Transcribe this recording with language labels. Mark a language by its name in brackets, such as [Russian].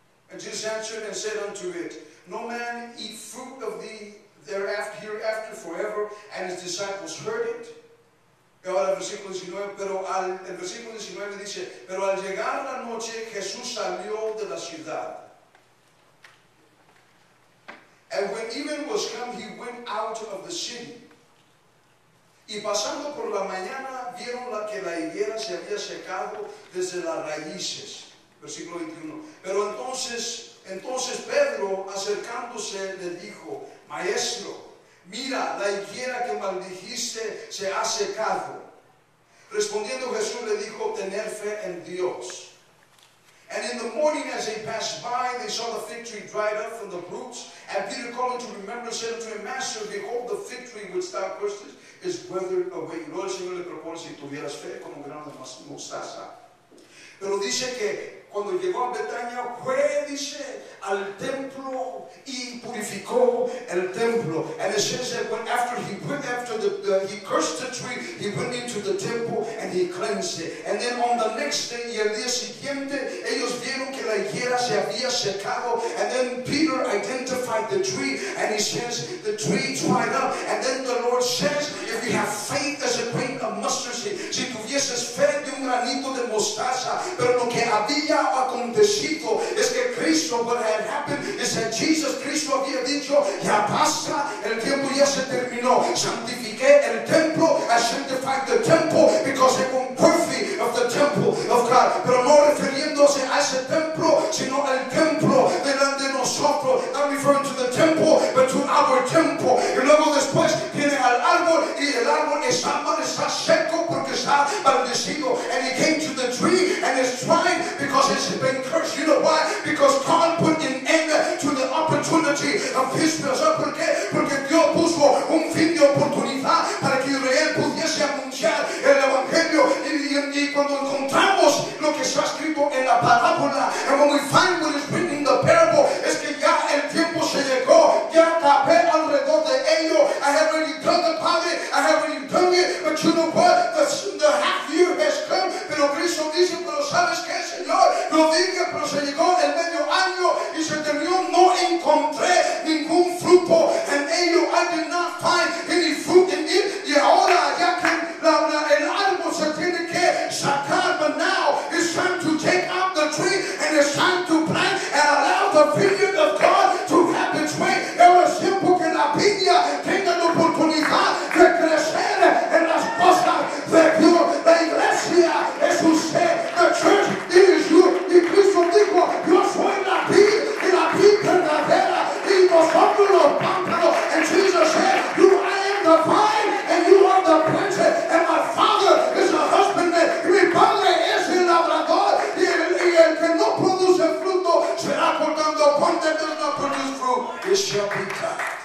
[English] And Jesus answered and said unto it, no man eat fruit of thee hereafter forever. And his disciples heard it. [Spanish] Y ahora el versículo 19 dice, pero al llegar la noche, Jesús salió de la ciudad. [English] And when even was come, he went out of the city. [Spanish] Y pasando por la mañana, vieron que la higuera se había secado desde las raíces. Versículo 21. Pero entonces Pedro, acercándose, le dijo, maestro, mira, la higuera que maldijiste se ha secado. Respondiendo Jesús le dijo, tener fe en Dios. [English] And in the morning as they passed by, they saw the fig tree dried up from the roots. And Peter, calling to remember, said to him, master, behold the fig tree which thou cursedest is withered away. [Spanish] Luego el Señor le propone, si tuvieras fe como grano de mostaza. Pero dice que cuando llegó a Betania, fue, dice, al templo y purificó el templo. [English] And it says that when after he went after the he cursed the tree, he went into the temple and he cleansed it. And then on the next day, [Spanish] y el día siguiente, ellos vieron que la higuera se había secado. [English] And then Peter identified the tree and he says, the tree dried up. And then the Lord says, if you have faith as a grain of mustard seed, [Spanish] si tuvieses fe de un granito de mostaza, pero lo que había acontecido es que Cristo, [English] what had happened is that Jesus Christ [Spanish] había dicho, ya basta, el tiempo ya se terminó. Santifiqué el templo, [English] I sanctified the temple because it was worthy of the temple of God. [Spanish] Pero no refiriéndose a ese templo, sino al templo delante de nosotros. [English] Not referring to the temple, but to our temple. [Spanish] Y luego después viene al árbol y el árbol está mal, está seco porque está maldecido. [English] And he came to the tree and it's dry because it's been cursed. You know why? Because God put an end to the opportunity of Israel. [Spanish] ¿Sabes por qué? Porque Dios puso un fin de oportunidad para que Israel pudiese anunciar el Evangelio. Y cuando encontramos lo que está escrito en la parábola, [English] and when we find what is written in the parable, [Spanish] es que ya el tiempo se llegó, ya acabé alrededor de ello. [English] I have already done the part, I have already done it, but you know what? The half year has come. [Spanish] Pero Cristo dice, pero ¿sabes qué, Señor? Lo dije, pero se llegó el medio año y se terminó. No encontré ningún fruto en ello. [English] I did not find any fruit in it. [Spanish] Y ahora ya que el árbol se tiene que sacar, [English] but now it's time to take out the tree and it's time to plant and allow the vineyard of God to have its way. [Spanish] Era tiempo que la viña tenga la oportunidad de crecer en las cosas de Dios. La iglesia es usted. [English] The church is you. [Spanish] Y Cristo dijo, yo soy la vid y la vid verdadera y vosotros los pámpanos. [English] And Jesus said, you, I am the vine and you are the planted. And my Father is a husbandman. [Spanish] Mi Padre es el labrador. Y el que no produce fruto será cortando. [English] One that does not produce fruit, it shall be cut.